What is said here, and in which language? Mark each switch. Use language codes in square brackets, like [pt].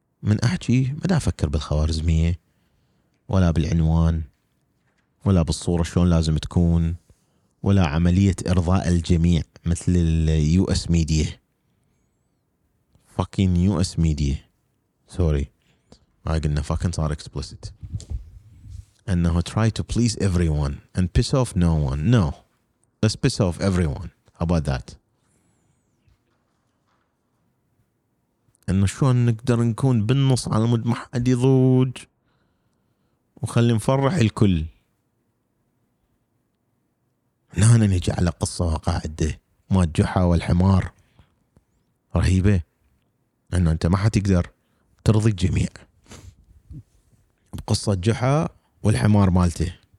[ar] من أحكي ما دا أفكر بالخوارزمية ولا بالعنوان ولا بالصورة شلون لازم تكون ولا عملية إرضاء الجميع مثل الـ [en] US Media fucking US Media sorry [ar] ما قلنا fucking صار explicit أنه [en] try to please everyone and piss off no one. No, let's piss off everyone. How about that؟ [ar] أنه شلون نقدر نكون بالنص على مد ما حد يضوج وخلي نفرح الكل، نحن نجي على قصة وقاعدة ما الجحا والحمار رهيبة، أنه أنت ما حتقدر ترضي الجميع بقصة الجحا والحمار مالته.